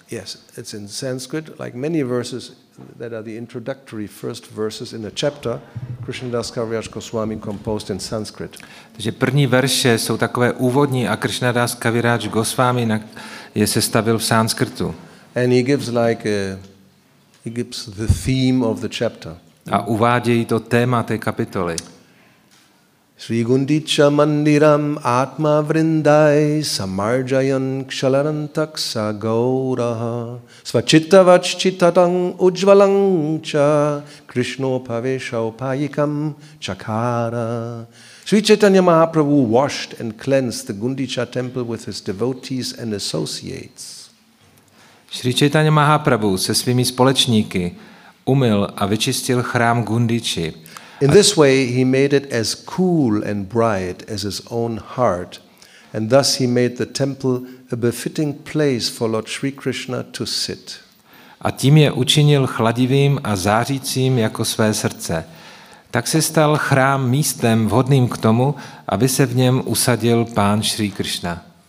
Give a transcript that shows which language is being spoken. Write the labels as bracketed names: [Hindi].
[English] Yes, it's in Sanskrit, like many verses that are the introductory first verses in a chapter, Krishnadas Kaviraj Goswami composed in Sanskrit. [Czech] Takže první verše jsou takové úvodní a Krishnadas Kaviraj Goswami je sestavil v sanskritu. [English] And he gives like he gives the theme of the chapter. [Czech] A uvádějí to téma té kapitoly. [Sanskrit] Sri Gundicha Mandiram Atma Vrindai Samarjayan Kshalarantaksa Gauraha Svachitta Vachchitatang Ujvalangcha Krishno Paveshau Payikam Chakara. [English] Sri Chaitanya Mahaprabhu washed and cleansed the Gundicha temple with his devotees and associates. [Czech] Sri Chaitanya Mahaprabhu se svými společníky umyl a vyčistil chrám Gundichi. In this way he made it as cool and bright as his own heart, and thus he made the temple a befitting place for Lord Sri Krishna to sit. A tím je učinil chladivým a zářícím jako své srdce. Tak se stal chrám místem vhodným k tomu, aby se v něm usadil pán Sri Krishna.